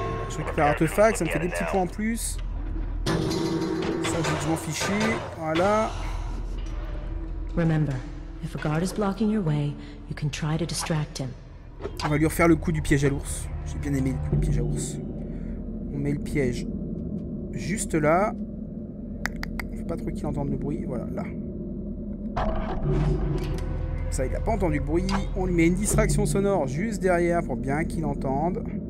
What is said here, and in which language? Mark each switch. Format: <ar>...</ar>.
<fr>Je récupère l'artefact, ça me fait des petits points en plus. Ça, je m'en fichais. Voilà.</fr> <en>Remember, if a guard is blocking your way, you can try to distract him.</en> <fr>On va lui refaire le coup du piège à l'ours. J'ai bien aimé le coup du piège à ours. On met le piège juste là. Faut pas trop qu'il entende le bruit. Voilà, là. Ça, il a pas entendu le bruit. On lui met une distraction sonore juste derrière pour bien qu'il entende.</fr>